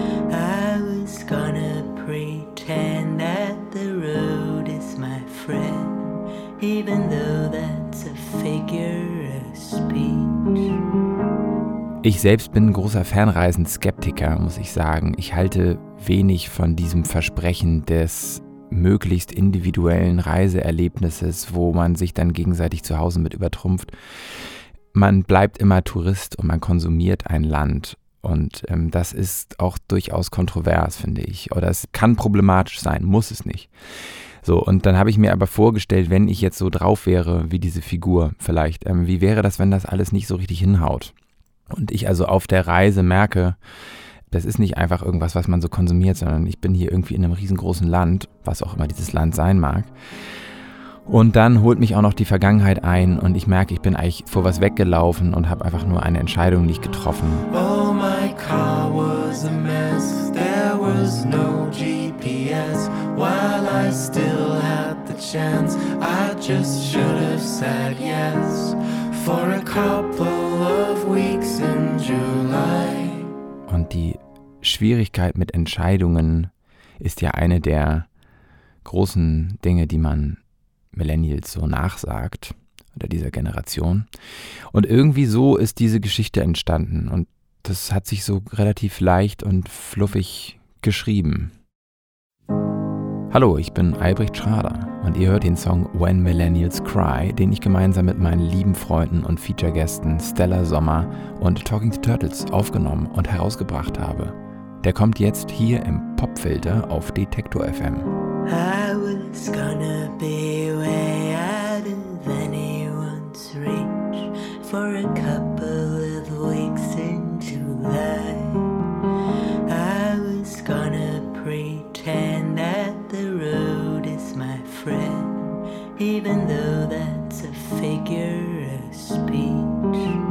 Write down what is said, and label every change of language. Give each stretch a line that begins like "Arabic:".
English: I was gonna pretend that the road is my friend, even though that's a figure of speech.
German: Ich selbst bin ein großer Fernreisenskeptiker, muss ich sagen. Ich halte wenig von diesem Versprechen des möglichst individuellen Reiseerlebnisses, wo man sich dann gegenseitig zu Hause mit übertrumpft. Man bleibt immer Tourist und man konsumiert ein Land. Und das ist auch durchaus kontrovers, finde ich. Oder es kann problematisch sein, muss es nicht. So, und dann habe ich mir aber vorgestellt, wenn ich jetzt so drauf wäre, wie diese Figur vielleicht, wie wäre das, wenn das alles nicht so richtig hinhaut? Und ich also auf der Reise merke, das ist nicht einfach irgendwas, was man so konsumiert, sondern ich bin hier irgendwie in einem riesengroßen Land, was auch immer dieses Land sein mag. Und dann holt mich auch noch die Vergangenheit ein und ich merke, ich bin eigentlich vor was weggelaufen und habe einfach nur eine Entscheidung nicht getroffen.
English: Oh, my car was a mess, there was no GPS, while I still had the chance, I just should have said yes, for a couple of weeks in July.
German: Und die Schwierigkeit mit Entscheidungen ist ja eine der großen Dinge, die man Millennials so nachsagt oder dieser Generation. Und irgendwie so ist diese Geschichte entstanden und das hat sich so relativ leicht und fluffig geschrieben. Hallo, ich bin Albrecht Schrader und ihr hört den Song When Millennials Cry, den ich gemeinsam mit meinen lieben Freunden und Feature-Gästen Stella Sommer und Talking to Turtles aufgenommen und herausgebracht habe. Der kommt jetzt hier im Popfilter auf Detektor FM.
English: I was gonna be way out of anyone's reach for a couple of weeks in July. I was gonna pretend that the road is my friend, even though that's a figure of speech.